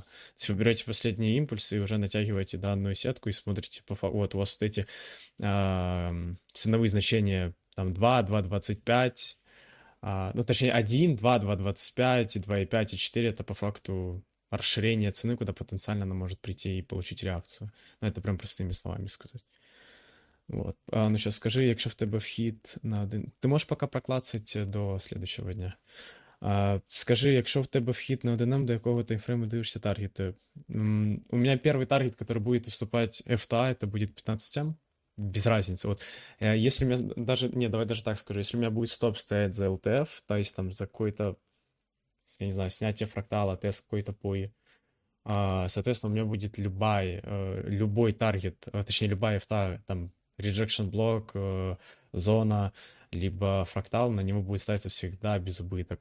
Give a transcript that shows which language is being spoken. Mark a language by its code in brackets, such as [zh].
[ru] То есть вы берете последний импульс и уже натягиваете данную сетку и смотрите, по факту, вот у вас вот эти ценовые значения, там, 2, 2, 25, ну, точнее, 1, 2, 2, 25, 2, 5 и 4, это по факту расширение цены, куда потенциально она может прийти и получить реакцию. Ну, это прям простыми словами сказать. Вот. Ну, сейчас скажи, если в тебе в хит надо... Ты можешь пока проклацать до следующего дня. [uk] Скажи, якщо в тебе вхід на 1М, до якого таймфрейму дивишся таргети? У мене перший таргет, який буде виступати FTA, це буде 15М. [ru] Без разницы. Вот если у меня даже, не, давай даже так скажу, если у меня будет стоп стоять за LTF, то есть там за какой-то, я не знаю, снятие фрактала, тест какой-то пой, соответственно, у меня будет любой таргет, точнее, любая FTA, там, rejection block, зона, либо фрактал, на него будет ставиться всегда без убыток.